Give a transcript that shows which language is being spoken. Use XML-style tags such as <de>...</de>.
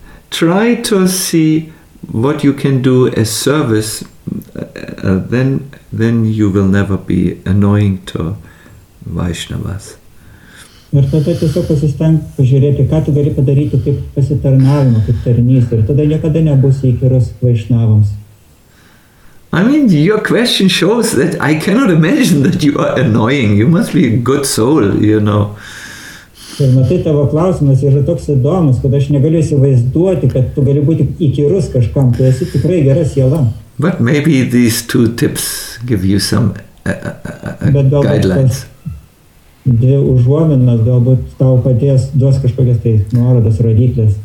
<en>Try to see what you can do as service, then you will never be annoying to Vaishnavas.</en> <lt>Ir tada tiesiog pasistengti pažiūrėti, ką tu gali padaryti kaip pasitarnavimą, kaip tarnystę. Ir tada niekada nebus įkyrus Vaishnavams.</lt> <en>I mean, your question shows that I cannot imagine that you are annoying. You must be a good soul, you know.</en> <lt>Ir matai, tavo klausimas yra toks įdomus, kad aš negaliu įsivaizduoti, kad tu gali būti įkyrus kažkam, tu esi tikrai gera siela.</lt> <en>But maybe these two tips give you some guidelines.</en> <lt>Dvi užuominas galbūt tau padės, duos kažkokias tai nuorodas, rodiklės.</lt>